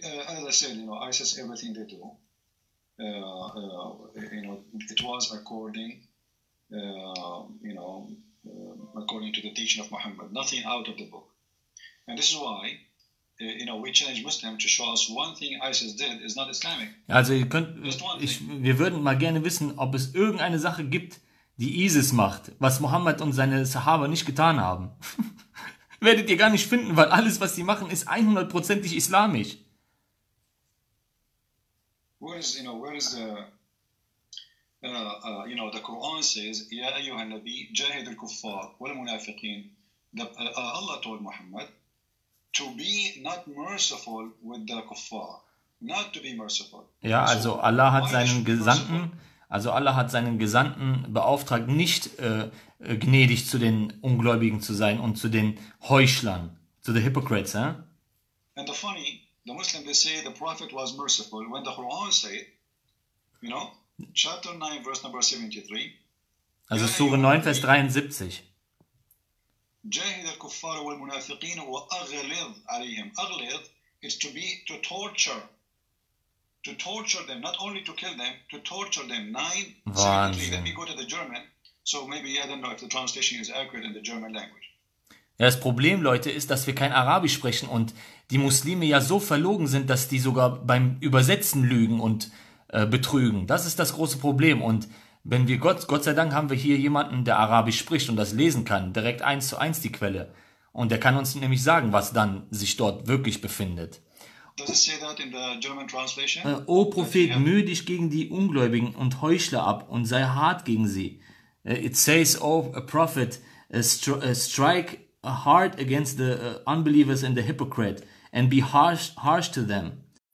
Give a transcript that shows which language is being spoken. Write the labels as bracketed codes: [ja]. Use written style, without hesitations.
[en] As I said, you know, ISIS, everything they do, you know, it was according to the teaching of Muhammad, nothing out of the book. And this is why, you know, we challenge Muslims to show us one thing ISIS did is not Islamic. [de] Also, wir würden mal gerne wissen, ob es irgendeine Sache gibt, die ISIS macht, was Muhammad und seine Sahaba nicht getan haben. Werdet ihr gar nicht finden, weil alles, was sie machen, ist 100%ig islamisch. [en] The Quran says, [ar] ya ayyuhan nabi jahid al-kuffar wal munafiqin. [en] Allah told Muhammad to be not merciful with the kuffar, not to be merciful. [de] Ja, also Allah hat seinen Gesandten, Also Allah hat seinen Gesandten beauftragt, nicht gnädig zu den Ungläubigen zu sein und zu den Heuchlern, zu den Hypocrites. Eh? [en] And the funny, the Muslims, they say the Prophet was merciful. When the Quran said, you know, chapter 9, verse number 73. [de] Also Surah 9, Vers 73. [ar] جاهد الكفار والمنافقين وأغلظ عليهم. [en] أغلظ is to be, to torture. To torture them, not only to kill them, to torture them. 9, 73, let me go to the German. So maybe, I don't know if the translation is accurate in the German language. [de] Ja, das Problem, Leute, ist, dass wir kein Arabisch sprechen und die Muslime ja so verlogen sind, dass die sogar beim Übersetzen lügen und betrügen. Das ist das große Problem. Und wenn wir Gott sei Dank haben wir hier jemanden, der Arabisch spricht und das lesen kann, direkt 1:1 die Quelle. Und der kann uns nämlich sagen, was dann sich dort wirklich befindet. [en] Does it say that in the German translation? [de] O Prophet, mühe dich gegen die Ungläubigen und Heuchler ab und sei hart gegen sie. [en] It says, O Prophet, strike hard against the unbelievers and the hypocrite, and be harsh to them.